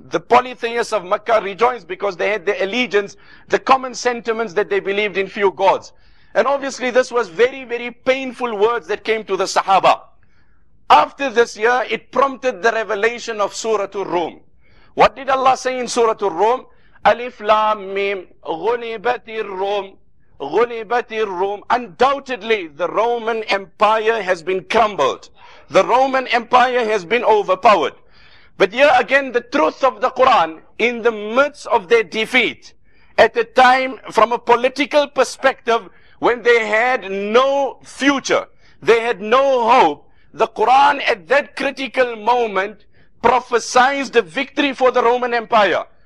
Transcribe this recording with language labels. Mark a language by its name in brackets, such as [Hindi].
[English] The polytheists of Mecca rejoiced because they had their allegiance, the common sentiments that they believed in few gods. And obviously this was very, very painful words that came to the Sahaba. After this year, it prompted the revelation of Surah Ar-Rum. What did Allah say in Surah Ar-Rum? [Arabic] ألف لام ميم غلبت الروم غلبت الروم. [English] Undoubtedly the Roman Empire has been crumbled. The Roman Empire has been overpowered. But here again the truth of the Quran, in the midst of their defeat, at a time from a political perspective when they had no future, they had no hope, the Quran at that critical moment prophesies the victory for the Roman Empire.